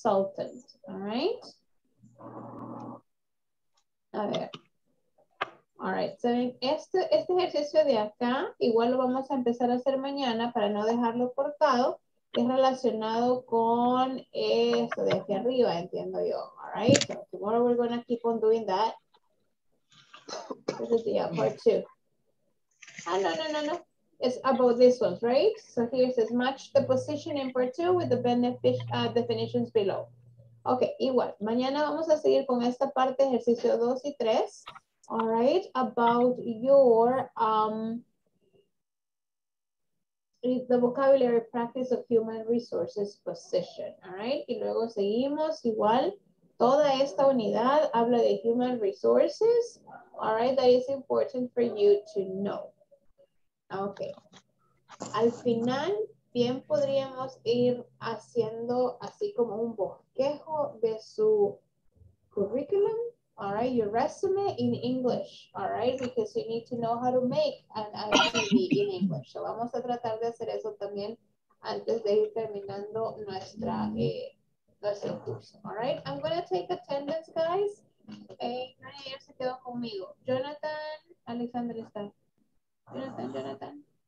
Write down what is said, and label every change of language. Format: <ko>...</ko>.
<en>All right.</en> <es>A ver.</es> <en>All right.</en> <es>So, este ejercicio de acá, igual lo vamos a empezar a hacer mañana para no dejarlo cortado, es relacionado con esto de aquí arriba, entiendo yo.</es> <en>All right. So, tomorrow we're going to keep on doing that. This is the part two. Ah, no. It's about this one, right? So here it says, match the position in part two with the benefit definitions below.</en> <es>Okay, igual. Mañana vamos a seguir con esta parte, ejercicio dos y tres.</es> <en>All right, about your the vocabulary practice of human resources position, all right?</en> <es>Y luego seguimos igual. Toda esta unidad habla de human resources,</es> <en>all right? That is important for you to know. Okay.</en> <es>Al final, bien podríamos ir haciendo así como un bosquejo de su curriculum,</es> <en>all right? Your resume in English, all right? Because you need to know how to make an CV in English.</en> <es>So vamos a tratar de hacer eso también antes de ir terminando nuestra nuestro curso,</es> <en>all right? I'm going to take attendance, guys.</en> <es>Nadie ayer se quedó conmigo. Jonathan, Alexander está. Jonathan.</es>